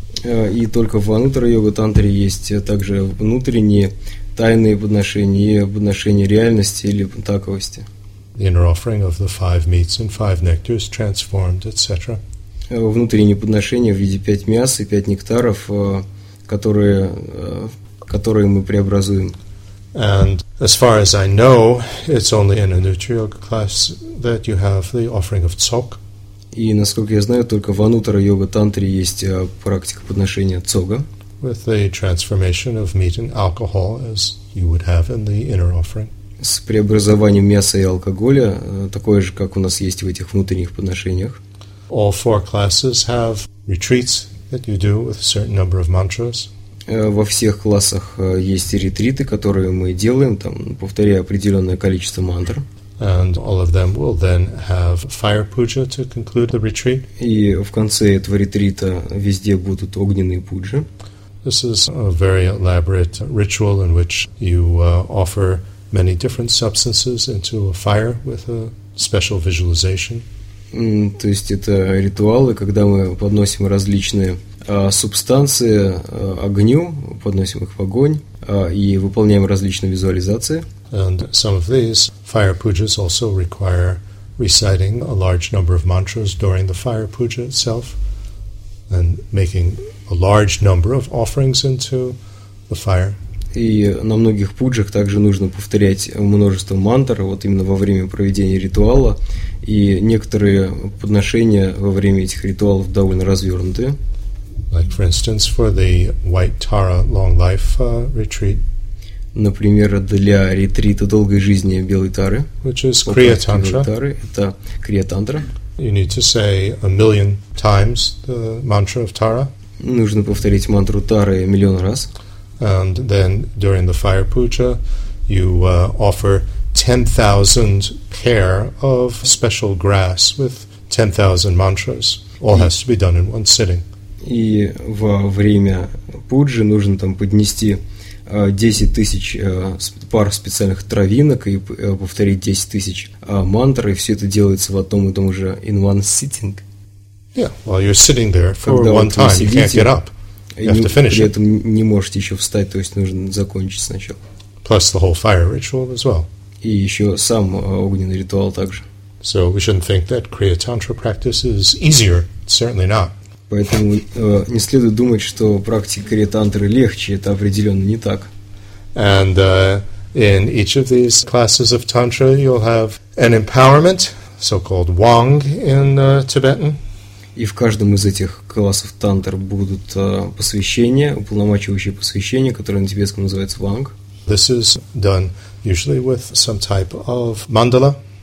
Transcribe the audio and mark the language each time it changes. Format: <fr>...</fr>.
<ru>И только в Анутра Йога Тантре есть также внутренние тайные подношения и подношения реальности или таковости.</ru> <en>The inner offering of the five meats and five nectars transformed, etc.</en> <ru>Внутренние подношения в виде пять мяс и пять нектаров, которые мы преобразуем.</ru> <en>And as far as I know, it's only in a Nutra Yoga class that you have the offering of цог.</en> <ru>И насколько я знаю, только в Анутра Йога Тантре есть практика подношения цога.</ru> <en>With the transformation of meat and alcohol, as you would have in the inner offering.</en> <ru>С преобразованием мяса и алкоголя, такое же, как у нас есть в этих внутренних подношениях.</ru> <en>All four classes have retreats that you do with a certain number of mantras.</en> <ru>Во всех классах есть ретриты, которые мы делаем, там, повторяя определенное количество мантр.</ru> <en>And all of them will then have fire puja to conclude the retreat.</en> <ru>И в конце этого ретрита везде будут огненные пуджи.</ru> <en>This is a very elaborate ritual in which you offer many different substances into a fire with a special visualization.</en> <ru>То есть это ритуалы, когда мы подносим различные субстанции огню, подносим их в огонь и выполняем различные визуализации.</ru> <en>And some of these fire pujas also require reciting a large number of mantras during the fire puja itself and making a large number of offerings into the fire.</en> <ru>И на многих пуджах также нужно повторять множество мантр вот именно во время проведения ритуала, и некоторые подношения во время этих ритуалов довольно развернуты.</ru> <en>Like, for instance, for the White Tara Long Life retreat.</en> <ru>Например, для ретрита долгой жизни Белой Тары.</ru> <en>Which is Kriya Tantra.</en> <ru>Белой Тары, это Kriya Tantra.</ru> <en>You need to say a million times the mantra of Tara.</en> <ru>Нужно повторить мантру Тары миллион раз.</ru> <en>And then during the fire puja, you offer 10,000 pair of special grass with 10,000 mantras. All has to be done in one sitting.</en> <ru>И во время пуджи нужно там поднести 10 тысяч пар специальных травинок и повторить 10 тысяч мантр, и все это делается в одном и том же</ru> <en>in one sitting. Yeah, while you're sitting there for one time, you can't get up. You have to finish.</en> <ru>При этом не можете еще встать, то есть нужно закончить сначала.</ru> <en>Plus the whole fire ritual as well.</en> <ru>И еще сам огненный ритуал также.</ru> <en>So we shouldn't think that Kriya Tantra practice is easier. Certainly not.</en> <ru>Поэтому не следует думать, что практика Kriya Tantra легче. Это определенно не так.</ru> <en>And in each of these classes of tantra, you'll have an empowerment, so-called wang in Tibetan.</en> <ru>И в каждом из этих классов тантр будут посвящения, уполномочивающие посвящения, которые на тибетском называются ванг.</ru> <en>This is done usually with some type of mandala.</en>